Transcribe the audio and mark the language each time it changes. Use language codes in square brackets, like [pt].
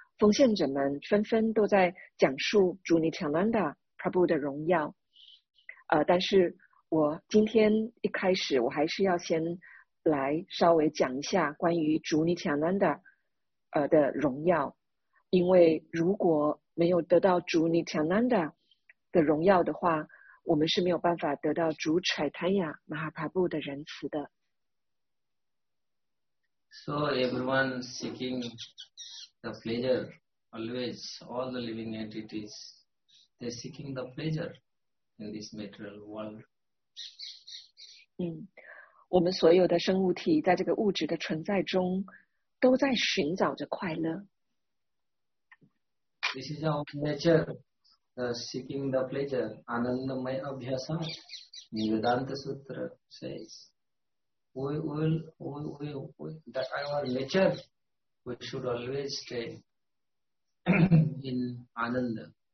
[zh] 奉献者们纷纷都在讲述主尼提亚南达帕布的荣耀，但是我今天一开始我还是要先来稍微讲一下关于主尼提亚南达的荣耀，因为如果没有得到主尼提亚南达的荣耀的话，我们是没有办法得到主柴坦亚马哈帕布的仁慈的。 [en] So everyone seeking the pleasure, always all the living entities, they're seeking the pleasure in this material world. [zh] 我们所有的生物体在这个物质的存在中都在寻找着快乐。 [en] This is our nature, seeking the pleasure. Anandamaya Abhyasa, Vedanta Sutra says, We should always stay in Ananda.